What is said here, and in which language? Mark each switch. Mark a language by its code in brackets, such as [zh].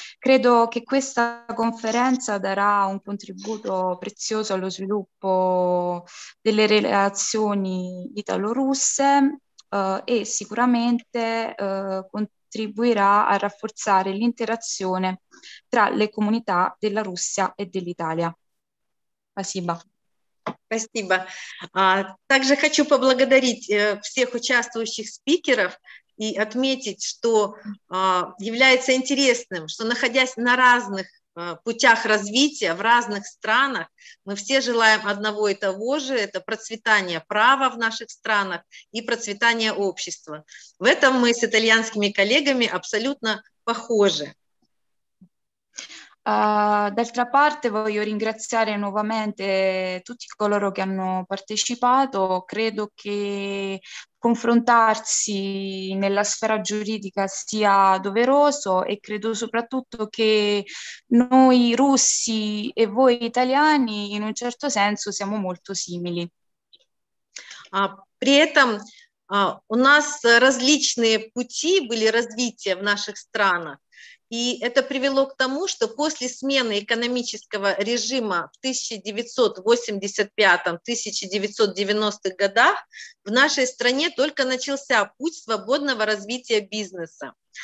[it] Credo che questa conferenza darà un contributo prezioso allo sviluppo delle relazioni italo-russe e sicuramente contribuirà a rafforzare l'interazione tra le comunità della Russia e dell'Italia. [ru] Спасибо. Спасибо. Также хочу поблагодарить всех участвующих спикеров и отметить, что является интересным, что находясь на разных путях развития в разных странах, мы все желаем одного и того же, это процветание права в наших странах и процветание общества. В этом мы с итальянскими коллегами абсолютно похожи. [it] D'altra parte voglio ringraziare nuovamente tutti coloro che hanno partecipato. Credo che confrontarsi nella sfera giuridica sia doveroso e credo soprattutto che noi russi e voi italiani in un certo senso siamo molto simili. [ru] У нас различные пути были развития в наших странах. И это привело к тому, что после смены экономического режима в 1985-1990-х годах в нашей стране только начался путь свободного развития бизнеса.